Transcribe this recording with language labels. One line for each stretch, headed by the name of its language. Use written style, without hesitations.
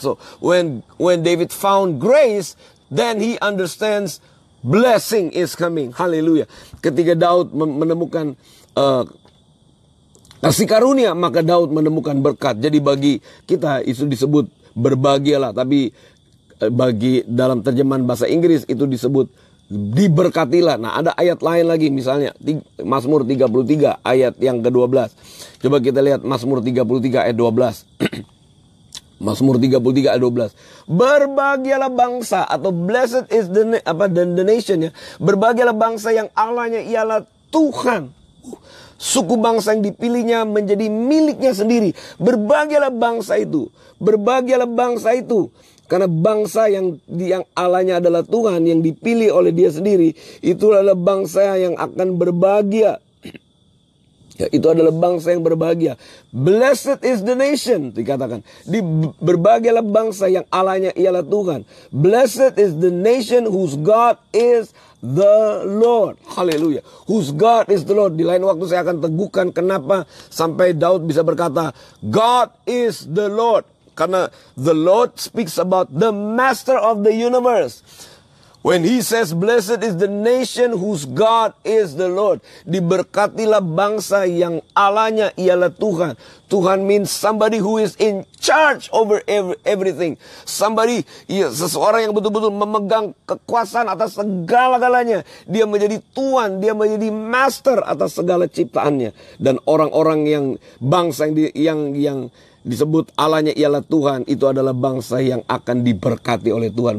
English: So when David found grace, then he understands blessing is coming. Hallelujah.
Indonesian: Ketika Daud menemukan kasih karunia, maka Daud menemukan berkat. Jadi bagi kita itu disebut berbahagialah, tapi bagi dalam terjemahan bahasa Inggris itu disebut diberkatilah. Nah, ada ayat lain lagi misalnya Mazmur 33 ayat yang ke-12. Coba kita lihat Mazmur 33 ayat 12. Mazmur 33 ayat 12. Berbahagialah bangsa atau
English: blessed is the nation
Indonesian: ya. Berbahagialah bangsa yang Allahnya ialah Tuhan. Suku bangsa yang dipilihnya menjadi miliknya sendiri. Berbahagialah bangsa itu. Berbahagialah bangsa itu. Karena bangsa yang Allahnya adalah Tuhan, yang dipilih oleh dia sendiri, itulah adalah bangsa yang akan berbahagia. Ya, itu adalah bangsa yang berbahagia.
English: Blessed is the nation,
Indonesian: dikatakan. Berbahagialah bangsa yang Allahnya ialah Tuhan.
English: Blessed is the nation whose God is the Lord. Haleluya. Whose God is the Lord.
Indonesian: Di lain waktu saya akan teguhkan kenapa sampai Daud bisa berkata,
English: God is the Lord.
Indonesian: Karena
English: the Lord speaks about the master of the universe. When he says blessed is the nation whose God is the Lord.
Indonesian: Diberkatilah bangsa yang Allahnya ialah Tuhan.
English: Tuhan means somebody who is in charge over everything.
Indonesian: Seseorang yang betul-betul memegang kekuasaan atas segala-galanya. Dia menjadi Tuhan, dia menjadi master atas segala ciptaannya. Dan orang-orang yang bangsa yang disebut Allahnya ialah Tuhan, itu adalah bangsa yang akan diberkati oleh Tuhan.